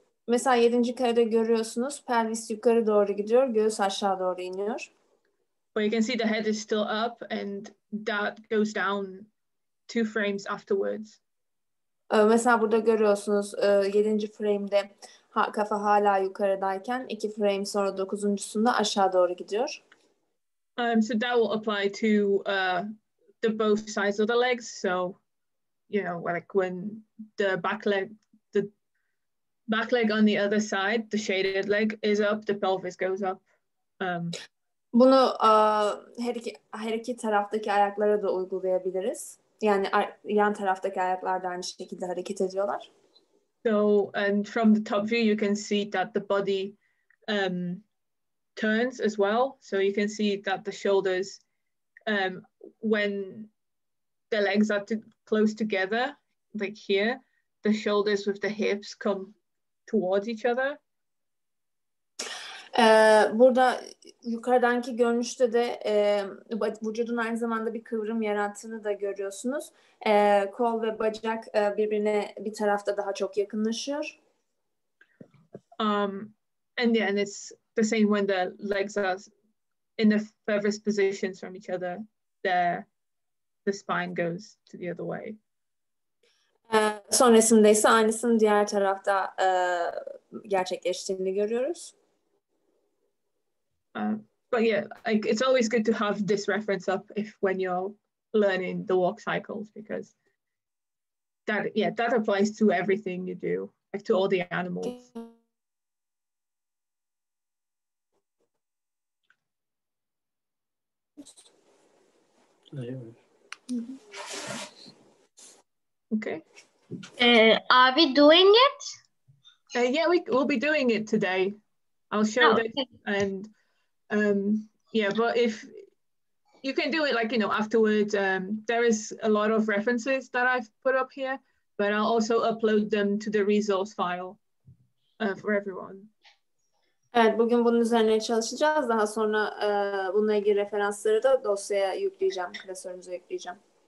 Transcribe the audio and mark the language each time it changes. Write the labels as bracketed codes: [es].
[tr] Mesela yedinci karede görüyorsunuz, pelvis yukarı doğru gidiyor, göğüs aşağı doğru iniyor. [en] But you can see the head is still up and that goes down two frames afterwards. [tr] Mesela burada görüyorsunuz, yedinci frame'de kafa hala yukarıdayken, iki frame sonra dokuzuncusunda aşağı doğru gidiyor. [en] So that will apply to the both sides of the legs. So, you know, like when the back leg on the other side, the shaded leg is up, the pelvis goes up. [tr] Bunu her iki taraftaki ayaklara da uygulayabiliriz. Yani yan taraftaki ayaklar da aynı şekilde hareket ediyorlar. [en] So, and from the top view, you can see that the body turns as well, so you can see that the shoulders, when the legs are close together, like here, the shoulders with the hips come towards each other. [tr] Burada yukarıdaki görünüşte de vücudun aynı zamanda bir kıvrım yarattığını da görüyorsunuz. Kol ve bacak birbirine bir tarafta daha çok yakınlaşıyor. [en] And then it's the same when the legs are in the furthest positions from each other, there the spine goes to the other way. [tr] Son resimde ise aynısını diğer tarafta gerçekleştiğini görüyoruz. [en] But yeah, like it's always good to have this reference up if when you're learning the walk cycles, because that applies to everything you do, like to all the animals. Okay. Are we doing it? Yeah, we'll be doing it today. I'll show them. Okay. And but if you can do it, like, you know, afterwards, there is a lot of references that I've put up here. but I'll also upload them to the resource file for everyone. [tr] Evet, bugün bunun üzerine çalışacağız. Daha sonra bununla ilgili referansları da dosyaya yükleyeceğim, klasörümüze yükleyeceğim.